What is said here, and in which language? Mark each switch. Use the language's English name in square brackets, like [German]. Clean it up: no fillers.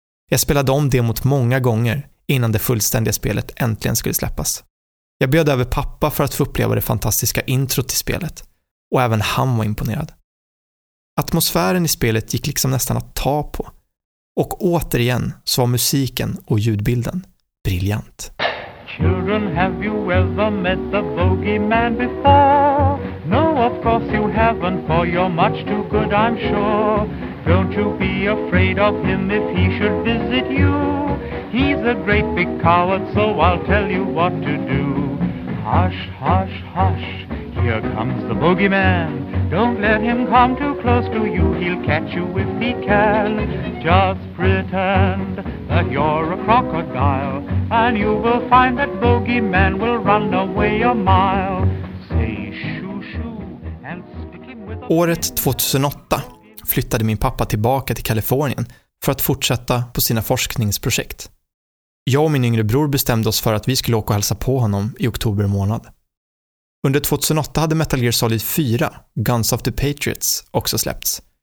[Swedish] Jag spelade om demot många gånger innan det fullständiga spelet äntligen skulle släppas. Jag bjöd över pappa för att få uppleva det fantastiska introt till spelet och även han var imponerad. Atmosfären i spelet gick liksom nästan att ta på och återigen så var musiken och ljudbilden briljant. [English] Children, have you ever met the bogeyman before? No, of course you haven't, for you're much too good, I'm sure. Don't you be afraid of him if he should visit you. He's a great big coward, so I'll tell you what to do. Hush, hush, hush, here comes the bogeyman. Don't let him come too close to you, he'll catch you if he can. Just pretend that you're a crocodile, and you will find that bogeyman will run away a mile. Say shoo shoo and stick him with a... [Swedish] Året 2008 flyttade min pappa tillbaka till Kalifornien för att fortsätta på sina forskningsprojekt. Jag och min yngre bror bestämde oss för att vi skulle åka och hälsa på honom i oktober månad. Under 2008 hade Metal Gear Solid 4, Guns of the Patriots, också släppts.